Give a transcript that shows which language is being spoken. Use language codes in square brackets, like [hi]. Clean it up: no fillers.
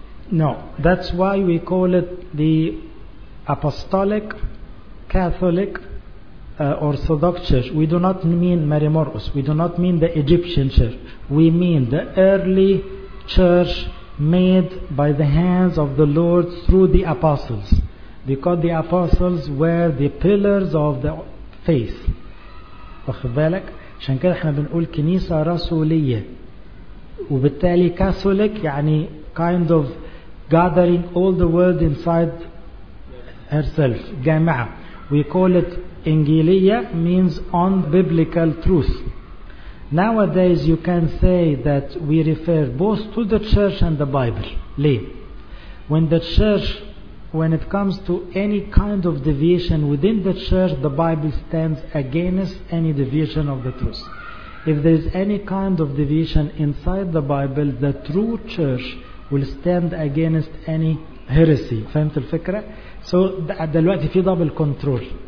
[en] No, that's why we call it the Apostolic Catholic Orthodox Church. We do not mean Mary Morris. We do not mean the Egyptian Church. We mean the early church made by the hands of the Lord through the apostles. Because the apostles were the pillars of the faith. [ar] واخد بالك؟ عشان كده احنا بنقول كنيسة رسولية، وبالتالي كاثوليك يعني [en] kind of gathering all the world inside herself، [ar] جامعة. [en] We call it انجيلية means on biblical truth. Nowadays you can say that we refer both to the church and the Bible. When the church, when it comes to any kind of deviation within the church, the Bible stands against any deviation of the truth. If there is any kind of deviation inside the Bible, the true church will stand against any heresy. [ar] فهمت الفكرة؟ [en] So [ar] دلوقتي في [en] double control.